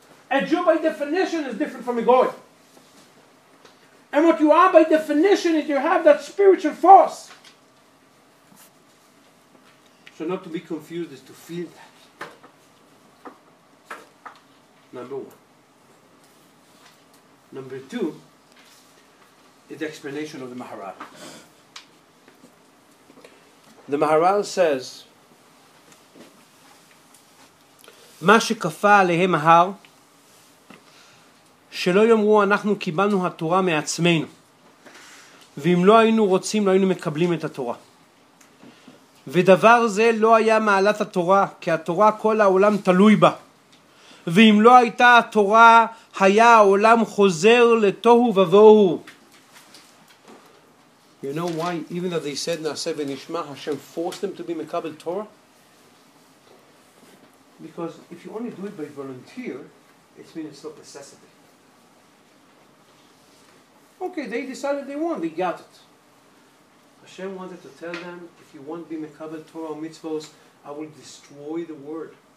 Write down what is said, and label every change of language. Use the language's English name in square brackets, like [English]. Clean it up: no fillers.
[English] A Jew by definition is different from a Goy. And what you are by definition is you have that spiritual force. So not to be confused is to feel that. Number one. Number two is the explanation of the Maharal. The Maharal says, [Hebrew] מה שקפה עליהם ההר, שלא יאמרו אנחנו קיבלנו התורה מעצמנו. ואם לא היינו רוצים, לא היינו מקבלים את התורה. ודבר זה לא היה מעלת התורה, כי התורה כל העולם תלוי בה. ואם לא הייתה התורה, היה העולם חוזר לתוהו ובוהו. [English] You know why, even though they said [Hebrew] נעשה ונשמע, [English] Hashem forced them to be מקבל תורה? Because if you only do it by volunteer, it means it's not necessity. Okay, they decided they want, they got it. Hashem wanted to tell them, if you want to be mekabel Torah or mitzvos, I will destroy the word.